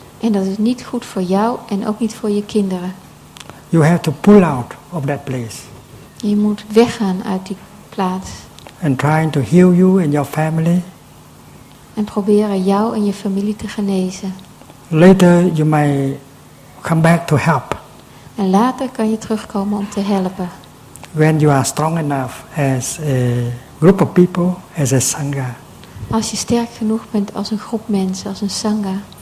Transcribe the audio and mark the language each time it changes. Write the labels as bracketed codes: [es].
[nl] En dat is niet goed voor jou en ook niet voor je kinderen. [en] You have to pull out of that place. [nl] Je moet weggaan uit die plaats. [en] And trying to heal you and your family. [nl] En proberen jou en je familie te genezen. [en] Later you may come back to help. [nl] En later kan je terugkomen om te helpen. [en] When you are strong enough as a group of people, as a sangha. [nl] Als je sterk genoeg bent als een groep mensen, als een sangha.